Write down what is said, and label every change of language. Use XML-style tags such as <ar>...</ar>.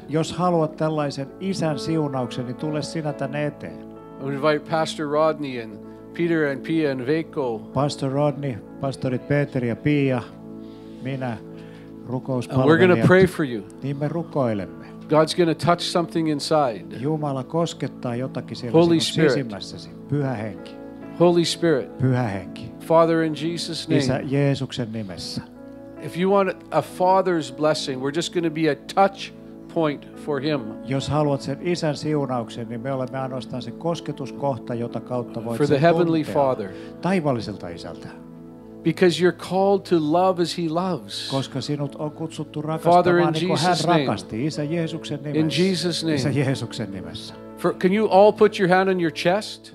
<fi>Jos haluat tällaisen isän siunauksen, niin tule sinä tänne eteen.</fi> <en>I would invite Pastor Rodney and Peter and Pia and Veiko.</en> <fi>Pastor Rodney, pastorit Peter ja Pia, minä rukouspalvelijat.</fi> <en>And we're gonna pray for you.</en> <fi>Niin me rukoilemme.</fi> <en>God's going to touch something inside.</en> <fi>Jumala koskettaa jotakin siellä sisimmässäsi. Pyhä henki.</fi> <en>Holy Spirit.</en> <fi>Pyhä henki.</fi> <en>Father in Jesus name.</en> <fi>Isä Jeesuksen nimessä.</fi> <en>If you want a father's blessing, we're just going to be a touch point for him.</en> <fi>Jos haluat sen isän siunauksen, niin me olemme ainoastaan se kosketuskohta, jota kautta voit</fi> <en>for the heavenly Father.</en> <fi>Taivaalliselta isältä.</fi> <en>Because you're called to love as he loves.</en> <fi>Koska sinut on kutsuttu rakastamaan niin kuin hän rakasti, Isä Jeesuksen nimessä.</fi> <en>In Jesus' name.</en> <fi>Isä Jeesuksen nimessä.</fi> <en>For, can you all put your hand on your chest?</en>